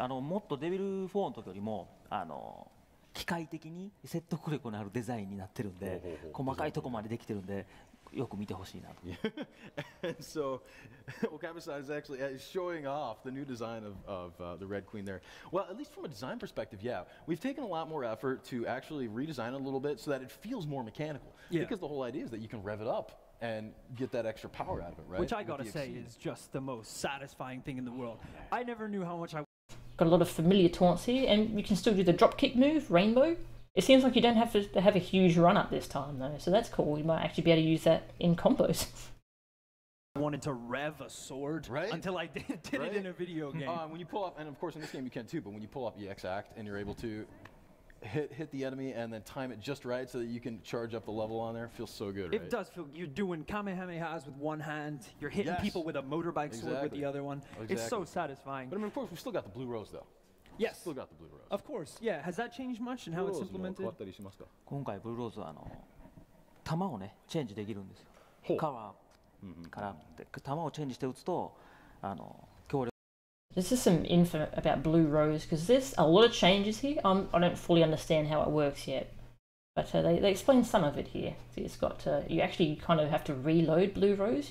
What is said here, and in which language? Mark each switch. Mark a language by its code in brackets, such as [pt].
[ja] あのもっとデビル4の時よりもあの機械的に説得力のあるデザインになってるんで、細かいとこまでできてるんで。よく見てほしいな。 [en] And so, Okabe-san is actually showing off the new design of the Red Queen there. Well, at least from a design perspective, yeah. We've taken a lot more effort to actually redesign it a little bit so that it feels more mechanical. Yeah. Because the whole idea is that you can rev it up and get that extra power out of it, right? Which I gotta say is just the most satisfying thing in the world. I never knew how much I... Got a lot of familiar taunts here, and you can still do the dropkick move, rainbow. It seems like you don't have to have a huge run-up this time, though, so that's cool. You might actually be able to use that in combos. I wanted to rev a sword right? until I did right? it in a video game. When you pull up, and of course in this game you can too, but when you pull up EX Act and you're able to hit the enemy and then time it just right so that you can charge up the level on there, it feels so good, right? It does feel you're doing Kamehamehas with one hand, you're hitting yes. people with a motorbike exactly. sword with the other one. Exactly. It's so satisfying. But I mean, of course, we've still got the blue rose, though. Yes. Still got the blue rose. Of course. Yeah. Has that changed much in how it's implemented? [ja] Blue rose も変わったりしますか？今回ブルーローズはあの弾をねチェンジできるんですよ。カバーから弾をチェンジして打つとあの強力。 [en] This is some info about Blue Rose because there's a lot of changes here. I don't fully understand how it works yet, but they explain some of it here. It's got you actually kind of have to reload Blue Rose.